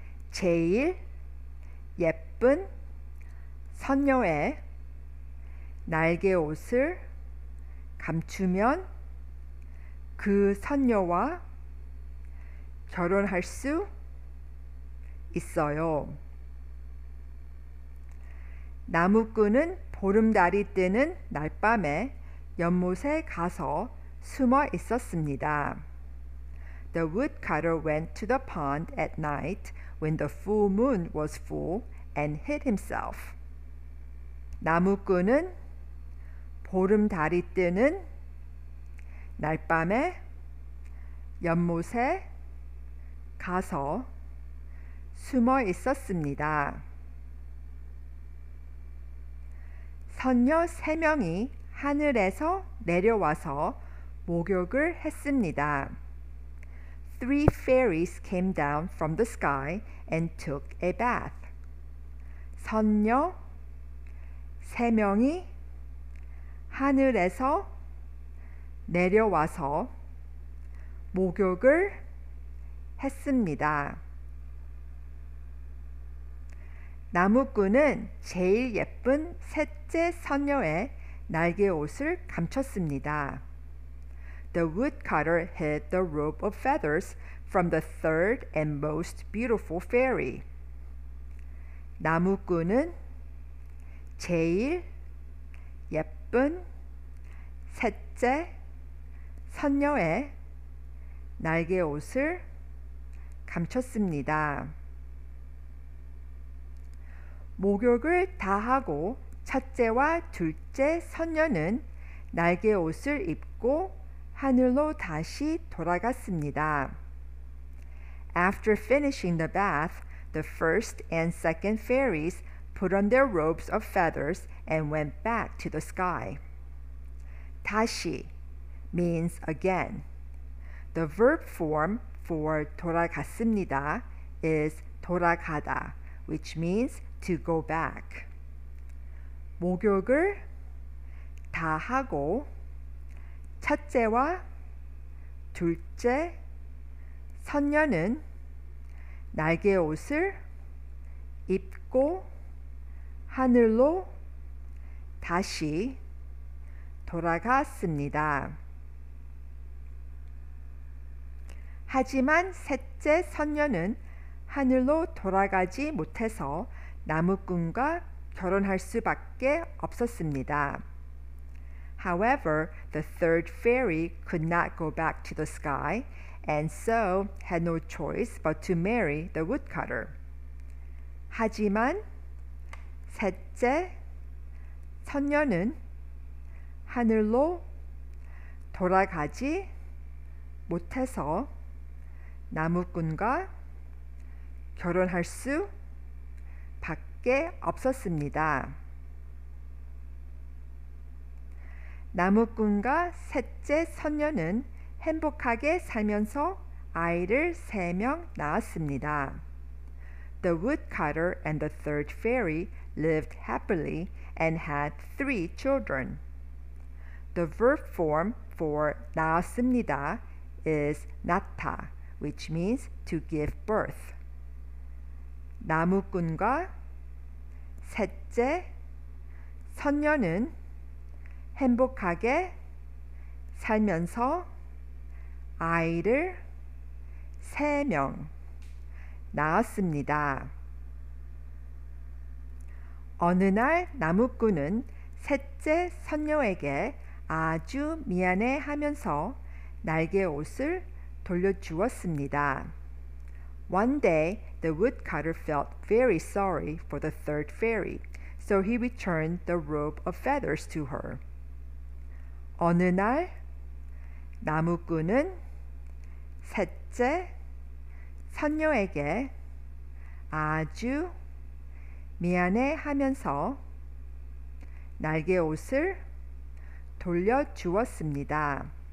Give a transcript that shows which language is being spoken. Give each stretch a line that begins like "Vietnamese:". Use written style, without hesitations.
Korean: 제일 예쁜 선녀의 날개 옷을 감추면 그 선녀와 결혼할 수 있어요. 나무꾼은 보름달이 뜨는 날밤에 연못에 가서 숨어 있었습니다.
English: The woodcutter went to the pond at night when the full moon was full and hid himself.
Korean: 나무꾼은 보름달이 뜨는 날밤에 연못에 가서 숨어 있었습니다. 선녀 세 명이 하늘에서 내려와서 목욕을 했습니다.
English: Three fairies came down from the sky and took a bath.
Korean: 선녀 세 명이 하늘에서 내려와서 목욕을 했습니다. 나무꾼은 제일 예쁜 셋째 선녀의 날개 옷을 감췄습니다.
English: The woodcutter hid the robe of feathers from the third and most beautiful fairy.
Korean: 나무꾼은 제일 예쁜 셋째 선녀의 날개 옷을 감췄습니다. 목욕을 다 하고 첫째와 둘째 선녀는 날개 옷을 입고 하늘로 다시 돌아갔습니다.
English: After finishing the bath, the first and second fairies put on their robes of feathers and went back to the sky. 다시 means again. The verb form for 돌아갔습니다 is 돌아가다, which means to go back.
Korean: 목욕을 다 하고 첫째와 둘째 선녀는 날개 옷을 입고 하늘로 다시 돌아갔습니다. 하지만 셋째 선녀는 하늘로 돌아가지 못해서 나무꾼과 결혼할 수밖에 없었습니다.
English: However, the third fairy could not go back to the sky and so had no choice but to marry the woodcutter.
Korean: 하지만 셋째 선녀는 하늘로 돌아가지 못해서 나무꾼과 결혼할 수밖에 없었습니다. 나무꾼과 셋째 선녀는 행복하게 살면서 아이를 세 명 낳았습니다.
English: The woodcutter and the third fairy lived happily and had three children. The verb form for 낳았습니다 is 낳다, which means to give birth.
Korean: 나무꾼과 셋째 선녀는 행복하게 살면서 아이를 세 명 낳았습니다. 어느 날 나무꾼은 셋째 선녀에게 아주 미안해 하면서 날개 옷을 돌려주었습니다.
English: One day, the woodcutter felt very sorry for the third fairy, so he returned the robe of feathers to her.
Korean: 어느 날 나무꾼은 셋째 선녀에게 아주 미안해 하면서 날개 옷을 돌려주었습니다.